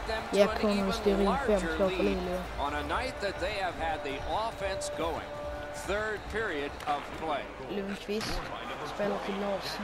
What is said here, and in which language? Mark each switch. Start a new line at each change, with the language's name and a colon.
Swedish: Ja, Connolly styr in 5-2 för Luleå.
English: On a night that they have had the offense going. Third period of play.
Swedish: Lundqvist spelar till Larsen.